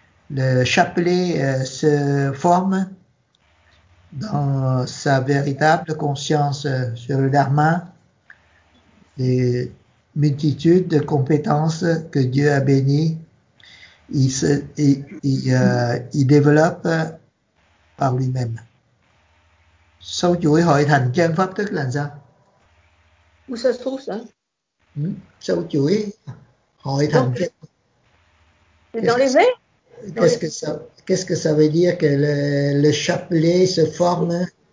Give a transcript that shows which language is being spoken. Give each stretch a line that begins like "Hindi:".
French: Le chapelet se forme dans sa véritable conscience sur le Dharma, les multitudes de compétences que Dieu a bénies. Il développe par lui-même.
Vietnamese: Sau chuỗi hội thành chân pháp tức là sao?
French: Où ça se trouve ça?
Vietnamese: Sau chuỗi hội thành chân.
French: Dans les vers? Qu'est-ce que ça veut dire que le chapelet se forme?